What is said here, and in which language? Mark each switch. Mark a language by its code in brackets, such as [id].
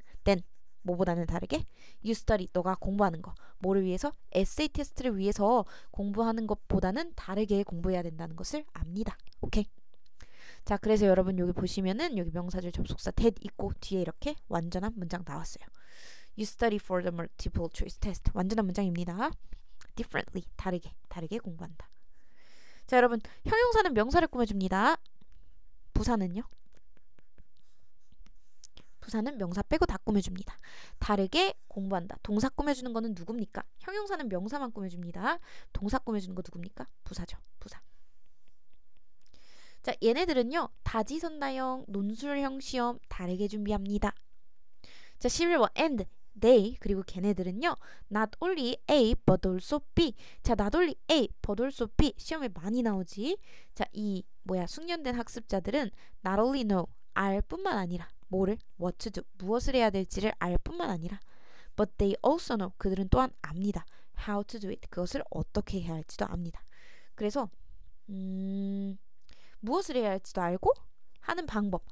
[en] Then, [ko] 뭐보다는 다르게. [en] You study, [ko] 너가 공부하는 거. 뭐를 위해서? Essay 테스트를 위해서 공부하는 것보다는 다르게 공부해야 된다는 것을 압니다. 오케이. 자, 그래서 여러분 여기 보시면은 여기 명사절 접속사 that 있고 뒤에 이렇게 완전한 문장 나왔어요. [en] You study for the multiple choice test. [ko] 완전한 문장입니다. [en] Differently, [ko] 다르게 공부한다. 자, 여러분, 형용사는 명사를 꾸며줍니다. 부사는요? 부사는 명사 빼고 다 꾸며줍니다. 다르게 공부한다. 동사 꾸며주는 거는 누굽니까? 형용사는 명사만 꾸며줍니다. 동사 꾸며주는 거 누굽니까? 부사죠. 부사. 자, 얘네들은요, 다지선다형 논술형 시험 다르게 준비합니다. 자, 11번 [en] and they [ko] 그리고 걔네들은요, [en] not only A but also B. [ko] 자, [en] not only A but also B [ko] 시험에 많이 나오지. 자, 이 뭐야 숙련된 학습자들은 [en] not only know [ko] 알 뿐만 아니라 뭐를 [en] what to do [ko] 무엇을 해야 될지를 알 뿐만 아니라 [en] but they also know [ko] 그들은 또한 압니다. [en] How to do it [ko] 그것을 어떻게 해야 할지도 압니다. 그래서 무엇을 해야 할지도 알고 하는 방법.